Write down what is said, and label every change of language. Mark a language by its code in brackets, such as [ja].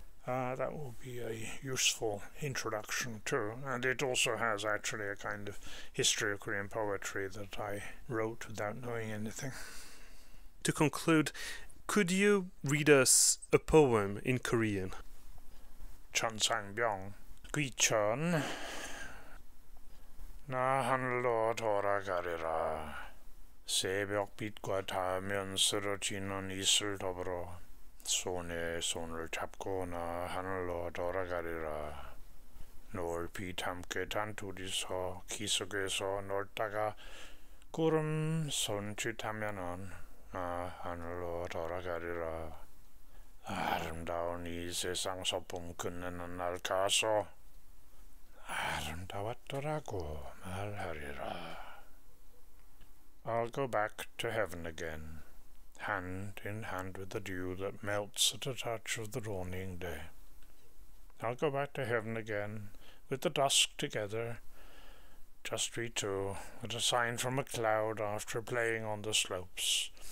[en] That will be a useful introduction too. And it also has actually a kind of history of Korean poetry that I wrote without knowing anything. To conclude, could you read us a poem in Korean? Chun Sang-byong. Gui Chun. [ko] Na 하늘로 돌아가리라. 새벽 빛과 닿으면 쓰러지는 이슬 더불어 손에 손을 잡고 나 하늘로 돌아가리라. 노을빛 함께 단둘이서 기석에서 놀다가 구름 손짓하면은 나 하늘로 돌아가리라. 아름다운 이 세상 소품 끝내는 날 가서 아름다웠더라고 말하리라. [en] I'll go back to heaven again, hand in hand with the dew that melts at a touch of the dawning day. I'll go back to heaven again, with the dusk together, just we two, at a sign from a cloud after playing on the slopes.